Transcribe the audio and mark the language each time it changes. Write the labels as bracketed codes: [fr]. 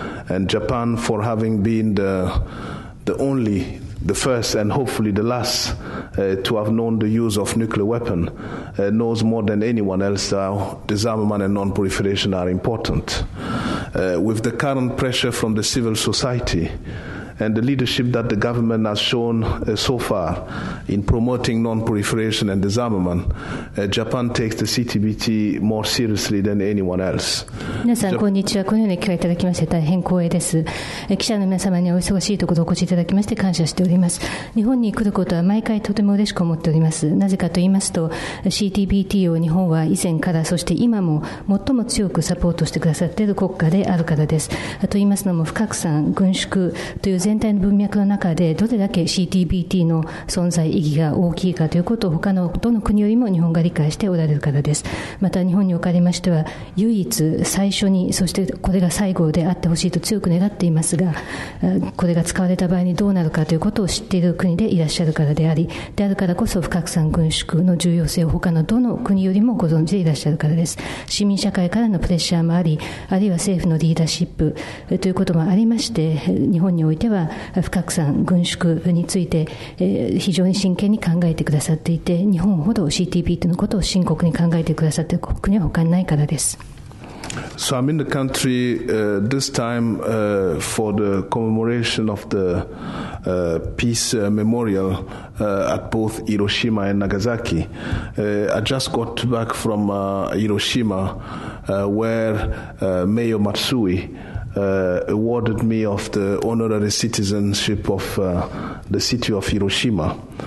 [en] And Japan, for having been the first and hopefully the last to have known the use of nuclear weapon, knows more than anyone else how disarmament and non-proliferation are important. With the current pressure from the civil society and the leadership that the government has shown so far in promoting non-proliferation and disarmament, Japan takes the CTBT more seriously than anyone else. [ja] 皆さん、こんにちは。このように機会いただきまして大変光栄です。記者の皆様にお忙しいところでお越しいただきまして感謝しております。日本に来ることは毎回とても嬉しく思っております。なぜかと言いますと、CTBT を日本は以前からそして今も最も強くサポートしてくださっている国家であるからです。と言いますのも、不拡散、軍縮という全体の文脈の中でどれだけ CTBT の存在意義が大きいかということを他のどの国よりも日本が理解しておられるからです。また日本におかれましては唯一最初にそしてこれが最後であってほしいと強く願っていますが、これが使われた場合にどうなるかということを知っている国でいらっしゃるからであり、であるからこそ不拡散軍縮の重要性を他のどの国よりもご存知でいらっしゃるからです。市民社会からのプレッシャーもあり、あるいは政府のリーダーシップということもありまして、日本においては不拡散軍縮について非常に真剣に考えてくださっていて、日本ほど CTBT のことを深刻に考えてくださっている国は他にないからです。 [en] So I'm in the country this time for the commemoration of the peace memorial at both Hiroshima and Nagasaki. I just got back from Hiroshima where Mayor Matsui awarded me of the honorary citizenship of the city of Hiroshima.